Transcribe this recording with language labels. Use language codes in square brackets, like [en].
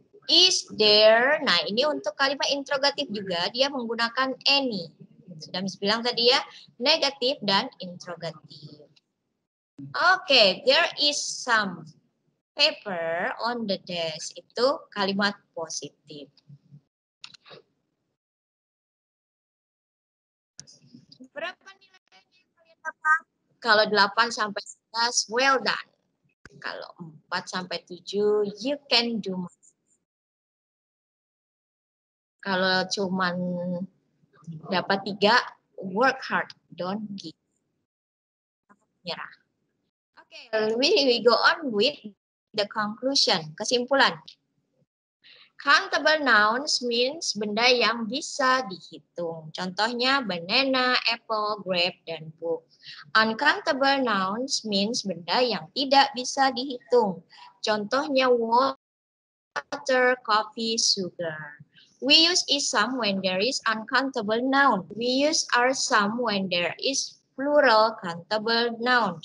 [id] Is there, nah ini untuk kalimat interrogatif juga, dia menggunakan any. Sudah Miss bilang tadi ya, negatif dan interrogatif. [en] Okay, there is some paper on the desk. [id] Itu kalimat positif. Berapa nilainya kalian dapat? Kalau 8 sampai 11, [en] well done. [id] Kalau 4 sampai 7, [en] you can do. [id] Kalau cuman Dapat 3, [en] work hard, don't give. [id] Menyerah. [en] Okay, we go on with the conclusion, [id] kesimpulan. [en] Countable nouns means [id] benda yang bisa dihitung. Contohnya banana, apple, grape, dan book. [en] Uncountable nouns means [id] benda yang tidak bisa dihitung. Contohnya water, coffee, sugar. [en] We use is some when there is uncountable noun. We use are some when there is plural countable noun.